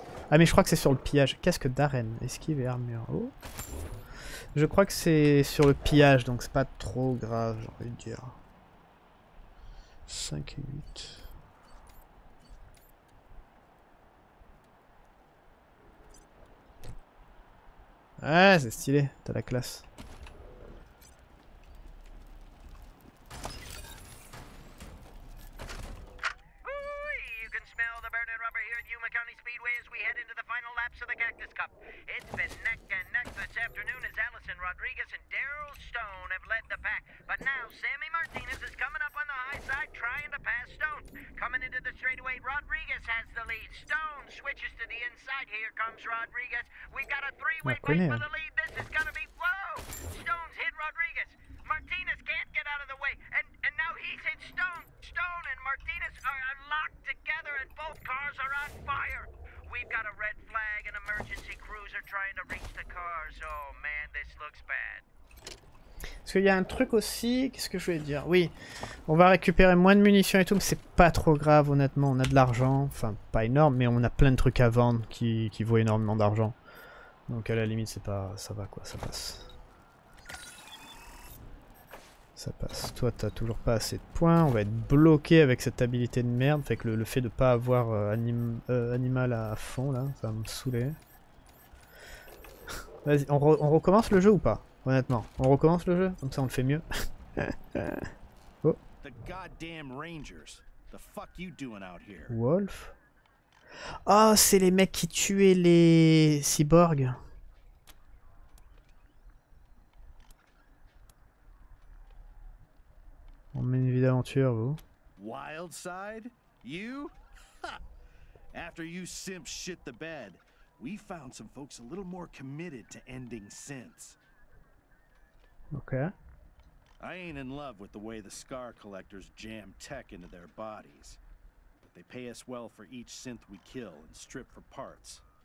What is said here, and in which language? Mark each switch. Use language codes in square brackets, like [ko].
[fr] Ah mais je crois que c'est sur le pillage. Casque d'arène, esquive et armure. Oh. Je crois que c'est sur le pillage, donc c'est pas trop grave, j'ai envie de dire. 5 et 8. Ah, c'est stylé, t'as la classe. [en] You can smell the burning rubber here at Yuma County Speedway as we head into the final laps of the Cactus Cup. It's been neck and neck this afternoon as Allison Rodriguez and Daryl Stone have led the pack. But now Sammy Martinez is coming up on the high side trying to pass Stone. Coming into the straightaway, Rodriguez has the lead. Stone switches to the inside. Here comes Rodriguez. We've got a three-way fight for the lead. This is gonna be whoa! Stone's hit Rodriguez. Martinez can't get out of the way. And now he's hit Stone. Stone and Martinez are locked together and both cars are on fire. We've got a red flag, an emergency cruiser trying to reach the cars. Oh man, this looks bad. [fr] Parce qu'il y a un truc aussi, qu'est-ce que je voulais dire? Oui, on va récupérer moins de munitions et tout, mais c'est pas trop grave honnêtement, on a de l'argent, enfin pas énorme, mais on a plein de trucs à vendre qui vaut énormément d'argent. Donc à la limite c'est pas... ça va quoi, ça passe. Ça passe, toi t'as toujours pas assez de points, on va être bloqué avec cette habilité de merde, fait que le fait de pas avoir animal à fond là, ça va me saouler. Vas-y, on recommence le jeu ou pas? Honnêtement, on recommence le jeu, comme ça on le fait mieux. Oh. [en] The goddamn Rangers. The fuck you doing out here? Wolf. [fr] Oh, c'est les mecs qui tuaient les cyborgs. On mène une vie d'aventure, vous. [en] Wildside? You? After you simp shit the bed, we found some folks a little more committed to ending sense. Okay. I ain't in love with the way the scar collectors jam tech into their bodies. But they pay us well for each synth we kill and strip for parts.